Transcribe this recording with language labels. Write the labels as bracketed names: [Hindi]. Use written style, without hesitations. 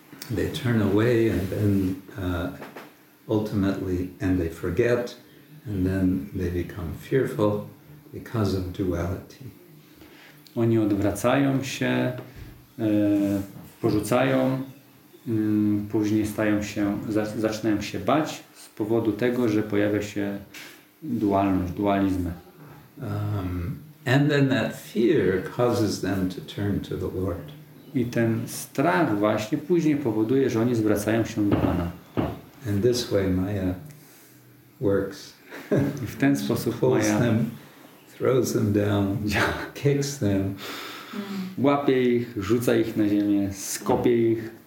[English] They turn away and then ultimately and they forget and then they become fearful because of duality. [Polish] Oni odwracają się, porzucają, później stają się, zaczynają się bać z powodu tego, że pojawia się dualność, dualizm. [English] And then that fear causes them to turn to the Lord. [Polish] I ten strach właśnie później powoduje, że oni zwracają się do Pana. [English] And this way Maya works. [Polish] I w ten sposób Maya [English] them, throws them down, kicks them. [Polish] Łapie ich, rzuca ich na ziemię, skopie ich.